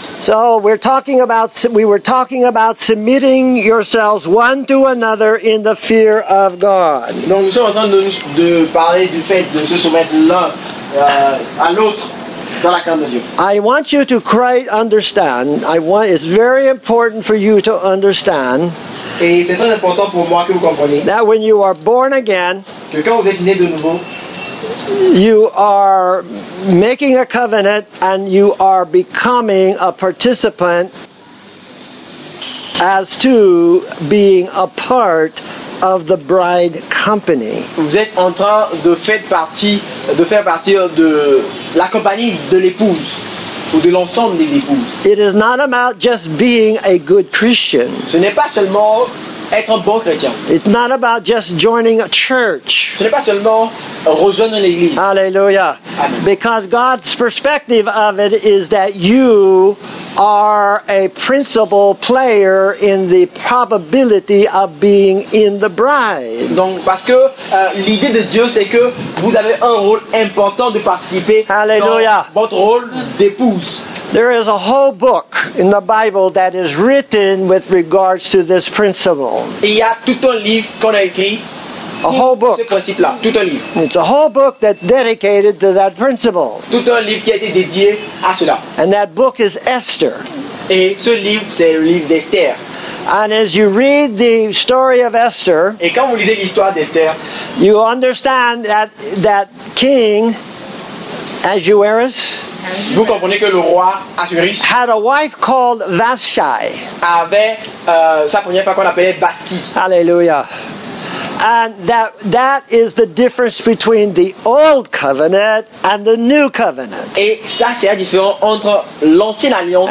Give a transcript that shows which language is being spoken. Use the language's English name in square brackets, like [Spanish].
[English] So we were talking about submitting yourselves one to another in the fear of God. [French] Donc nous sommes en train de parler du fait de se soumettre l'un à l'autre dans la crainte de Dieu. [English] I want you to quite understand. It's very important for you to understand. [French] Et c'est très important pour moi que vous compreniez. [English] That when you are born again. [French] Que quand vous êtes né de nouveau. [English] You are making a covenant and you are becoming a participant as to being a part of the bride company. [French] Vous êtes en train de faire partie de la compagnie de l'épouse ou de l'ensemble des épouses. [English] It is not about just being a good Christian. [French] Ce n'est pas seulement être un bon chrétien. [English] It's not about just joining a church. [French] Ce n'est pas seulement rejoindre l'église. Hallelujah. [English] Because God's perspective of it is that you are a principal player in the probability of being in the bride. [French] Donc parce que l'idée de Dieu c'est que vous avez un rôle important de participer. Hallelujah. Dans votre rôle d'épouse. [English] There is a whole book in the Bible that is written with regards to this principle. [French] Il y a tout un livre qu'on a écrit. [English] A whole book. [French] Ce principe-là, tout un livre. [English] It's a whole book that's dedicated to that principle. [French] Tout un livre qui a été dédié à cela. [English] And that book is Esther. [French] Et ce livre, c'est le livre d'Esther. [English] And as you read the story of Esther, [French] et quand vous lisez l'histoire d'Esther, [English] you understand that King Ahasuerus, [French] vous comprenez que le roi Ahasuerus [English] had a wife called Vashti. [French] Avait sa première femme qu'on appelait Vashti. Hallelujah. [English] And that is the difference between the old covenant and the new covenant. [French] Et ça c'est la différence entre l'ancienne alliance.